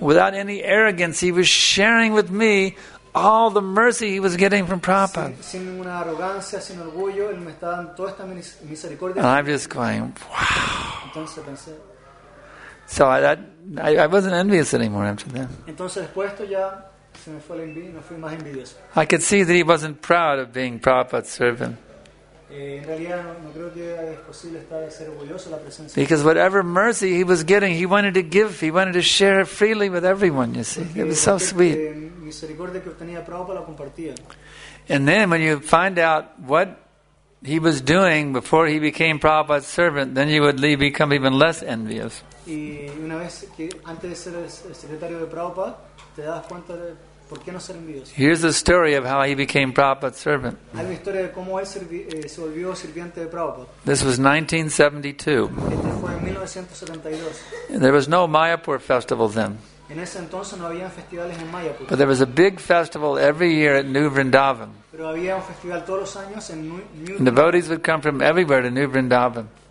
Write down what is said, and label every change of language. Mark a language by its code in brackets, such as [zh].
[en] without any arrogance, he was sharing with me all the mercy he was getting from Prabhupada. [es] Sin ninguna arrogancia, sin orgullo, él me estaba dando toda esta misericordia. [en] And I'm just going, wow. [es] Entonces pensé, [en] so I wasn't envious anymore after that. [es] Entonces, después esto ya se me fue la envidia, no fui más envidioso. [en] I could see that he wasn't proud of being Prabhupada's servant. [es] En realidad no creo que es posible estar ser orgulloso de la presencia. [en] Because whatever mercy he was getting, he wanted to give, he wanted to share freely with everyone, you see. [es] Porque [en] it was so sweet. [es] Misericordia que obtenía Prabhupada la compartía. [en] And then when you find out what he was doing before he became Prabhupada's servant, then you would become even less envious. [es] Y una vez que antes de ser el secretario de Prabhupada, te das cuenta de por qué no ser envidioso. [en] Here's the story of how he became Prabhupada's servant. [es] Hay una historia de cómo él se volvió sirviente de Prabhupada. [en] This was 1972. [es] Este fue en 1972. [en] There was no Mayapur festival then. [es] En ese entonces no había festivales en Mayapur. [en] But there was a big festival every year at New Vrindavan. [es] Pero había un festival todos los años en New [en] Vrindavan. Devotees would come from everywhere to New Vrindavan.